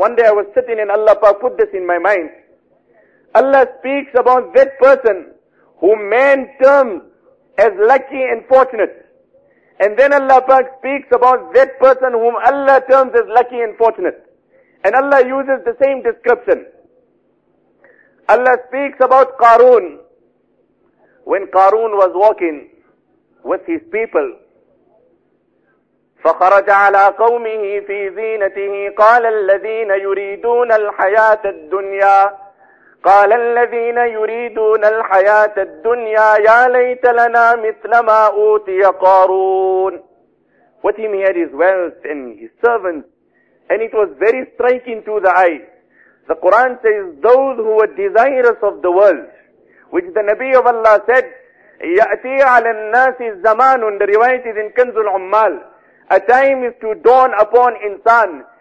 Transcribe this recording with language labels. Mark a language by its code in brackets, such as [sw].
[en] One day I was sitting and Allah Pak put this in my mind. Allah speaks about that person whom man terms as lucky and fortunate. And then Allah Pak speaks about that person whom Allah terms as lucky and fortunate. And Allah uses the same description. Allah speaks about Qarun. When Qarun was walking with his people, [ar] فَخَرَجَ عَلَىٰ قَوْمِهِ فِي زِينَتِهِ قَالَ الَّذِينَ يُرِيدُونَ الْحَيَاةَ الدُّنْيَا قَالَ الَّذِينَ يُرِيدُونَ الْحَيَاةَ الدُّنْيَا يَا لَيْتَ لَنَا مِثْلَ مَا أُوتِيَ قَارُونَ. [en] With him he had his wealth and his servants, and it was very striking to the eye. The Quran says, those who were desirous of the world, which the Nabi of Allah said, [ar] يَأْتِي عَلَى النَّاسِ الزَّمَانٌ. [en] The riwayat is in Kanzu al-Ummal. A time is to dawn upon insan.